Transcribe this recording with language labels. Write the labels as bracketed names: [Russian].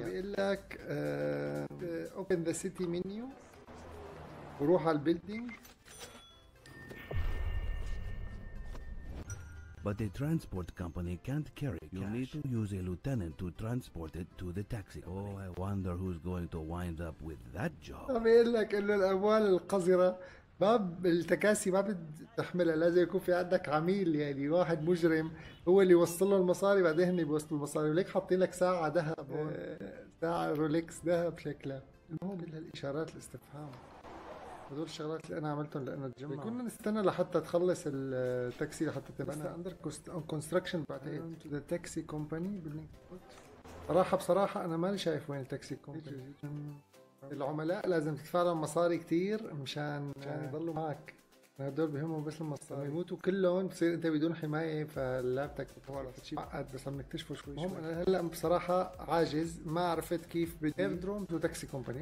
[Arabic] بيقول لك [English] open the city menu [Arabic] وروح على البيلدينج. [English] But the transport company can't carry cash. You need to use a lieutenant to transport it to the taxi. Oh, I wonder who's going to wind up with that job. [Arabic] بيقول لك انه الاموال القذرة، باب التكاسي ما بتحملها، لازم يكون في عندك عميل، يعني واحد مجرم هو اللي يوصل له المصاري، بعدين هن بيوصلوا المصاري. وليك حاطين لك ساعة ذهب، ساعة رولكس ذهب شكلها. المهم الإشارات الاستفهام، هذول الشغلات اللي أنا عملتهم لأنه تجمع. كنا نستنى لحتى تخلص التاكسي لحتى تبقى [English] under construction. بعدين to the taxi company building. [Arabic] صراحة بصراحة أنا ماني شايف وين التاكسي company. العملاء لازم تدفع لهم مصاري كتير مشان يضلوا معك، هدول بهمهم بس المصاري، يموتوا كلهم تصير انت بدون حماية، فلعبتك بتورط شيء معقد، بس عم نكتشفه شوي شوي. انا هلا بصراحة عاجز، ما عرفت كيف بدي ايردروم تو تاكسي كومباني.